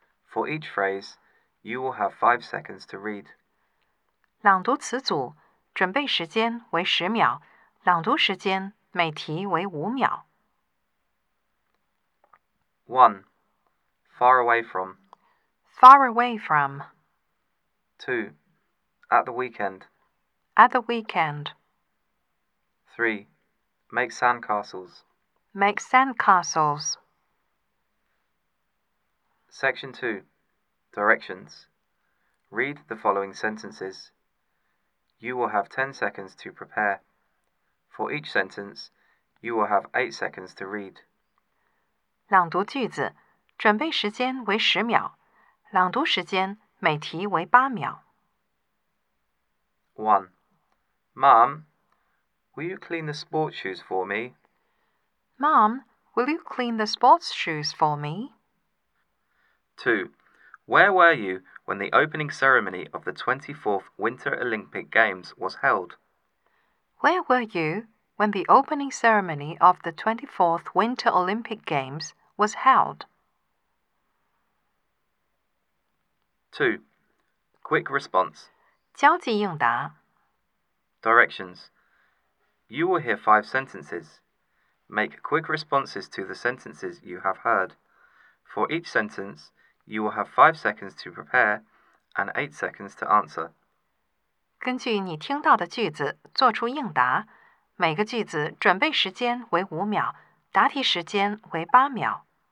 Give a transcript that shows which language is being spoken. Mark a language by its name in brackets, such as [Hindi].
[English] For each phrase, you will have 5 seconds to read. [Chinese] 朗读词组，准备时间为10秒，朗读时间每题为5秒。 [English] 1. Far away from. Far away from. 2. At the weekend. At the weekend. 3. Make sandcastles. Make sandcastles. Section 2. Directions. Read the following sentences. You will have 10 seconds to prepare. For each sentence, you will have 8 seconds to read. [Chinese] 朗读句子，准备时间为10秒，朗读时间每题为8秒。 [English] 1. Mom, will you clean the sports shoes for me? Mom, will you clean the sports shoes for me? 2. Where were you when the opening ceremony of the 24th Winter Olympic Games was held? Where were you when the opening ceremony of the 24th Winter Olympic Games was held? 2. Quick response. [Chinese] 交际应答。 [English] Directions. You will hear 5 sentences. Make quick responses to the sentences you have heard. For each sentence,You will have 5 seconds to prepare and 8 seconds to answer. [Chinese] 根据你听到的句子做出应答，每个句子准备时间为5秒，答题时间为8秒。